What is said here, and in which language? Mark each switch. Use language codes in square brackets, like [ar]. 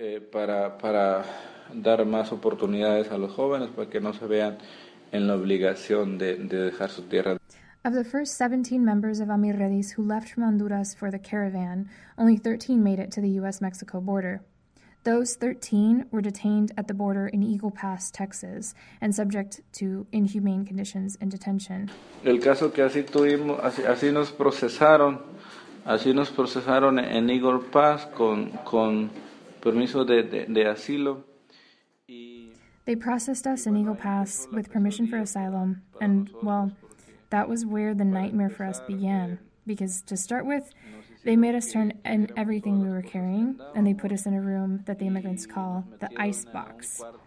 [es] Para dar más oportunidades a los jóvenes para que no se vean en la obligación de dejar su tierra. [en] Of the first 17 members of AmiRedis who left from Honduras for the caravan, only 13 made it to the U.S.-Mexico border. Those 13 were detained at the border in Eagle Pass, Texas, and subject to inhumane conditions in detention. [es] El caso que así tuvimos, así nos procesaron, en Eagle Pass con permiso de asilo. [en] They processed us in Eagle Pass with permission for asylum, and, well, that was where the nightmare for us began, because to start with, they made us turn in everything we were carrying, and they put us in a room that the immigrants call the ice box.